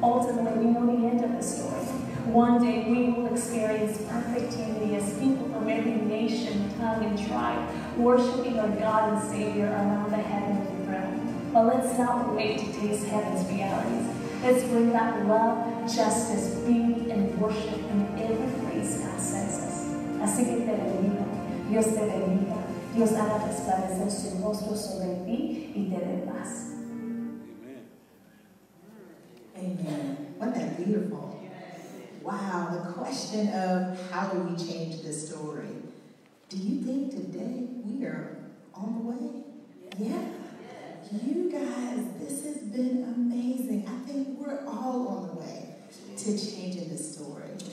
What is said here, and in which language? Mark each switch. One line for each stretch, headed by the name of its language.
English: Ultimately, we know the end of the story. One day we will experience perfect unity as people from every nation, tongue, and tribe, worshiping our God and Savior around the heavenly throne. But let's not wait to taste heaven's realities. Let's bring that love, justice, beauty, and worship in every phrase God sends us.
Spanish: Así que te bendiga, Dios te bendiga, Dios haga resplandecer su rostro sobre ti y te dé paz.
English: Amen. Wasn't that beautiful? Wow, the question of how do we change the story? Do you think today we are on the way? Yeah. You guys, this has been amazing. I think we're all on the way to changing the story.